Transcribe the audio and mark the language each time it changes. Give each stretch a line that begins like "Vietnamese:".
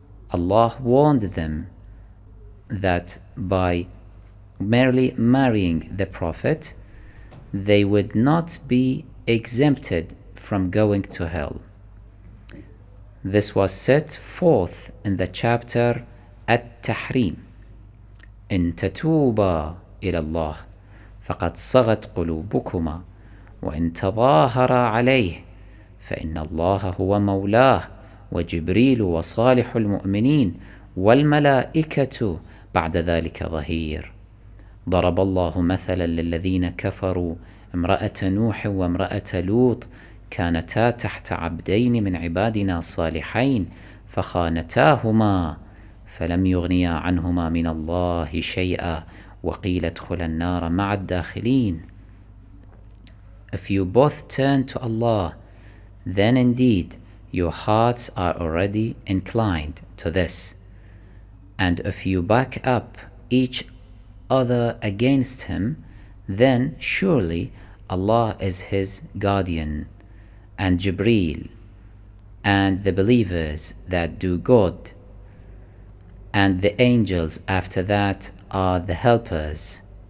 English: Allah warned them that by merely marrying the Prophet, they would not be exempted from going to hell. This was set forth in the chapter At-Tahrim.
Arabic: إن تتوبا إلى الله فقد صغت قلوبكما وإن تظاهر عليه فإن الله هو مولاه وجبريل وصالح المؤمنين والملائكة بعد ذلك ظهير ضرب الله مثلا للذين كفروا امرأة نوح وامرأة لوط كانتا تحت عبدين من عبادنا صالحين فخانتاهما فلم يغنيا عنهما من الله شيئا وقيل ادخلا النار مع الداخلين.
English: If you both turn to Allah, then indeed your hearts are already inclined to this. And if you back up each other against him, then surely Allah is his guardian and Jibreel and the believers that do good, and the angels after that are the helpers.